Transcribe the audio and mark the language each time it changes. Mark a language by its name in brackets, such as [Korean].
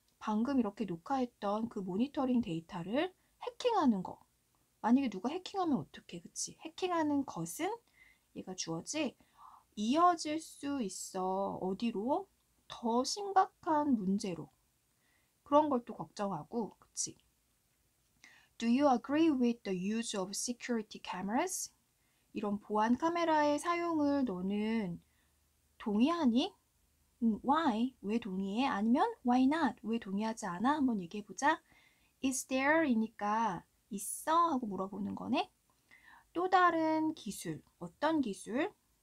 [Korean] 방금 이렇게 녹화했던 그 모니터링 데이터를 해킹하는 거. 만약에 누가 해킹하면 어떡해, 그치? 해킹하는 것은 얘가 주어지. 이어질 수 있어, 어디로? 더 심각한 문제로. 그런 걸 또 걱정하고, 그치? [English] Do you agree with the use of security cameras? [Korean] 이런 보안 카메라의 사용을 너는 동의하니? [English] Why? [Korean] 왜 동의해? 아니면 [English] why not? [Korean] 왜 동의하지 않아? 한번 얘기해보자. [English] Is there? [Korean] 이니까 있어? 하고 물어보는 거네. 또 다른 기술. 어떤 기술?